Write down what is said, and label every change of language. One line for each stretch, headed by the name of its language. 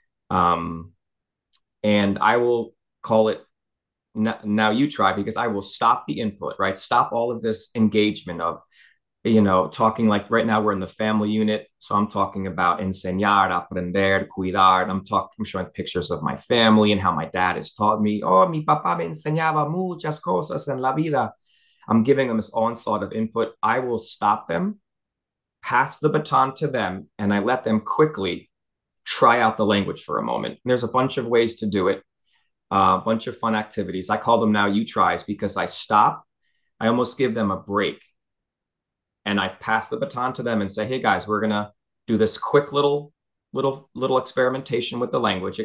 English: And I will call it Now You Try, because I will stop the input, right? Stop all of this engagement of talking like right now we're in the family unit, so I'm talking about enseñar, aprender, cuidar. I'm showing pictures of my family and how my dad has taught me.
Spanish: Oh, mi papá me enseñaba muchas cosas en la vida.
English: I'm giving them this onslaught of input. I will stop them, pass the baton to them, and I let them quickly try out the language for a moment. And there's a bunch of ways to do it, a bunch of fun activities. I call them now you tries because I stop, I almost give them a break, and I pass the baton to them and say, hey guys, we're gonna do this quick little experimentation with the language.